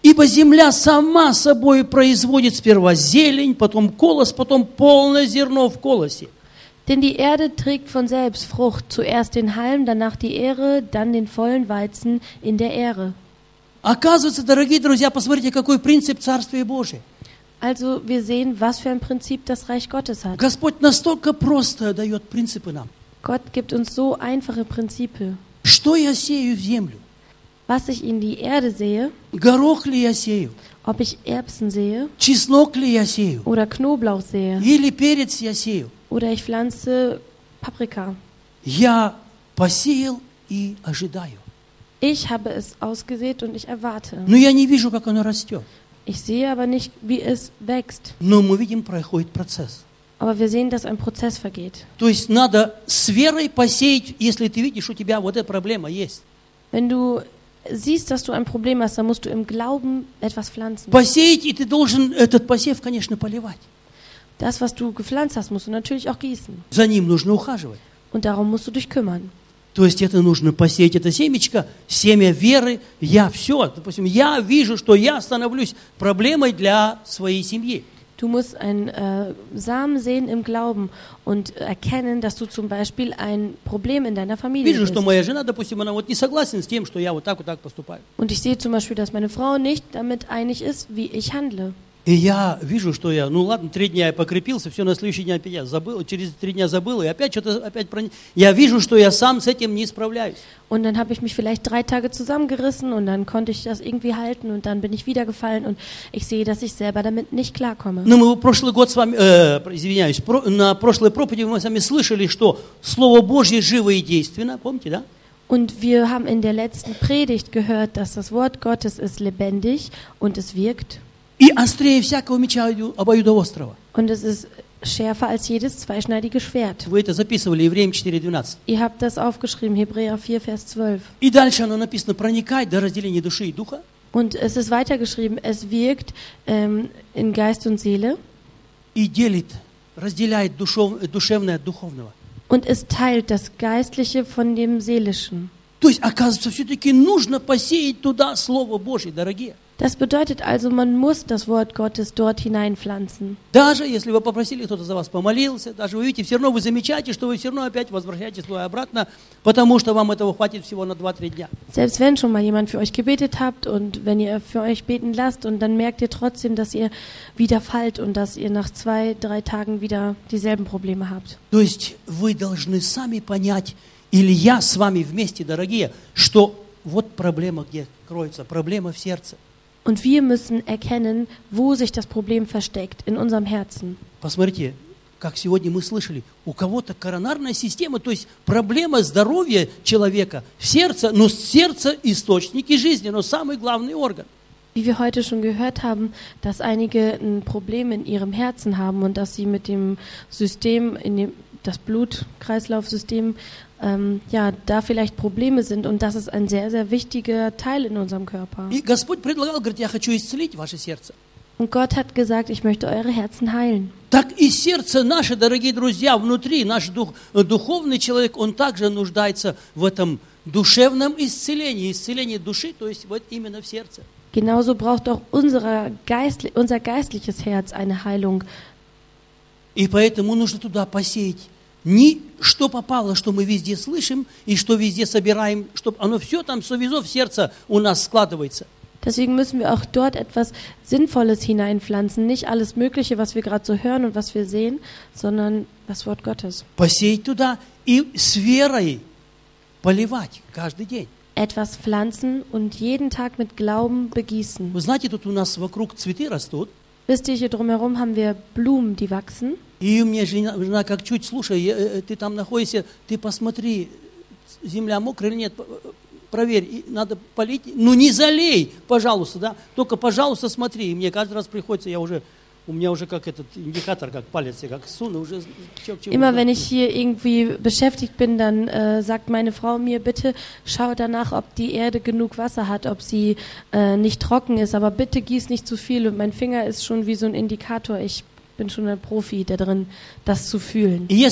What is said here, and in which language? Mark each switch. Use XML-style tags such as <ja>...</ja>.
<ru>Ибо земля сама собой производит сперва зелень, потом колос, потом полное зерно в колосе.</ru> <de>Denn die Erde trägt von selbst Frucht, zuerst den Halm, danach die Ähre, dann den vollen Weizen in der Ähre.</de> <ru>Оказывается, дорогие друзья, посмотрите, какой принцип Царствия Божия.</ru> <de>Also wir sehen, was für ein Prinzip das Reich Gottes hat.</de> <ru>Господь настолько просто дает принципы нам.</ru> <de>Gott gibt uns so einfache Prinzipien.</de> <ru>Что я сею в землю?</ru> <de>Was ich in die Erde sehe?</de> <ru>Горох ли я сею?</ru> <de>Ob ich Erbsen sehe?</de> <ru>Чеснок ли я сею?</ru> <de>Oder Knoblauch sehe?</de> <ru>Или перец я сею?</ru> <de>Oder ich pflanze Paprika?</de> <ru>Я посеял и ожидаю.</ru> <de>Ich habe es ausgesät und ich erwarte.</de> <ru>Но я не вижу, как оно растет.</ru> <de>Ich sehe aber nicht, wie es wächst.</de> <ru>Но мы видим, проходит процесс.</ru> <de>Aber wir sehen, dass ein Prozess vergeht.</de> <ru>То есть надо с верой посеять, если ты видишь, у тебя вот эта проблема есть.</ru> <de>Wenn du siehst, dass du ein Problem hast, dann musst du im Glauben etwas pflanzen.</de> <ru>Посеять, и ты должен этот посев, конечно, поливать.</ru> <de>Das, was du gepflanzt hast, musst du natürlich auch gießen.</de> <ru>За ним нужно ухаживать.</ru> <de>Und darum musst du dich kümmern.</de> <ru>То есть это нужно посеять это семечко, семя веры, я все. Допустим, я вижу, что я становлюсь проблемой для своей семьи.</ru> <de>Du musst einen Samen sehen im Glauben und erkennen, dass du zum Beispiel ein Problem in deiner Familie bist.</de> <ru>Что моя жена, допустим, она вот не согласна с тем, что я вот так поступаю.</ru> <de>Und ich sehe zum Beispiel, dass meine Frau nicht damit einig ist, wie ich handle.</de> <ru>И я вижу, что я, ну ладно, три дня я покрепился, все, на следующий день опять я забыл, через три дня забыл, и опять что-то опять про... Я вижу, что я сам с этим не справляюсь.</ru> <de>Und dann habe ich mich vielleicht drei Tage zusammengerissen und dann konnte ich das irgendwie halten und dann bin ich wieder gefallen und ich sehe, dass ich selber damit nicht klarkomme.</de> <ru>Ну, мы прошлый год с вами, на прошлой проповеди мы с вами слышали, что Слово Божье живо и действенно, помните, да?</ru> <de>Und wir haben in der letzten Predigt gehört, dass das Wort Gottes ist lebendig und es wirkt.</de> <ru>И острее всякого меча обоюдоострого.</ru> <de>Und es ist schärfer als jedes zweischneidige Schwert.</de> <ru>Вы это записывали, Евреям 4:12.</ru> <de>Ihr habt das aufgeschrieben, Hebräer 4, Vers 12.</de> <ru>И дальше оно написано, проникает до разделения души и духа.</ru> <de>Und es ist weitergeschrieben, es wirkt in Geist und Seele.</de> <ru>И делит, разделяет душевное от духовного.</ru> <de>Und es teilt das Geistliche von dem Seelischen.</de> <ru>То есть, оказывается, все-таки нужно посеять туда Слово Божие, дорогие.</ru> <de>Das bedeutet also, man muss das Wort Gottes dort hineinpflanzen.</de> <ru>Даже если вы попросили, кто-то за вас помолился, даже вы видите, все равно вы замечаете, что вы все равно опять возвращаете слово обратно, потому что вам этого хватит всего на 2-3 дня.</ru> <de>Selbst wenn schon mal jemand für euch gebetet habt und wenn ihr für euch beten lasst und dann merkt ihr trotzdem, dass ihr wieder fallt und dass ihr nach 2-3 Tagen wieder dieselben Probleme habt.</de> <ru>То есть вы должны сами понять, или я с вами вместе, дорогие, что вот проблема где кроется, проблема в сердце.</ru> <de>Und wir müssen erkennen, wo sich das Problem versteckt, in unserem Herzen.</de> <ru>Посмотрите, как сегодня мы слышали, у кого-то коронарная система, то есть проблема здоровья человека в сердце, но сердце – источник жизни, но самый главный орган.</ru> <de>Wie wir heute schon gehört haben, dass einige ein Problem in ihrem Herzen haben und dass sie mit dem System, in dem, das Blutkreislaufsystem, ja, da vielleicht Probleme sind und das ist ein sehr, sehr wichtiger Teil in unserem Körper. Und Gott hat gesagt, ich möchte eure Herzen heilen.</de> <ru>Так и сердце наше, дорогие друзья, внутри, наш духовный человек, он также нуждается в этом душевном исцелении, исцелении души, то есть вот именно в сердце.</ru> <de>Genauso braucht auch unser geistliches Herz eine Heilung.</de> <ru>И поэтому нужно туда посеять. Ни что попало, что мы везде слышим и что везде собираем, чтобы оно все там сувезо в сердце у нас складывается.</ru> <de>Deswegen müssen wir auch dort etwas Sinnvolles hineinpflanzen, nicht alles Mögliche, was wir gerade so hören und was wir sehen, sondern das Wort Gottes.</de> <ru>Посеять туда и с верой поливать каждый день.</ru> <de>Etwas pflanzen und jeden Tag mit Glauben begießen.</de> <ru>Вы знаете, тут у нас вокруг цветы растут.</ru> <de>Wisst ihr, hier drumherum haben wir Blumen, die wachsen.</de> <ru>И у меня жена, как чуть, слушай, ты там находишься, ты посмотри, земля мокрая или нет, проверь, надо полить, ну не залей, пожалуйста, да, только пожалуйста смотри, и мне каждый раз приходится, я уже, у меня уже как этот индикатор, как палец, я как суну, уже чего-чего.</ru> <de>Immer wenn ich hier irgendwie beschäftigt bin, dann sagt meine Frau mir, bitte schau danach, ob die Erde genug Wasser hat, ob sie nicht trocken ist, aber bitte gieß nicht zu viel und mein Finger ist schon wie so ein Indikator, ich bin schon ein Profi da drin, das zu fühlen.</de>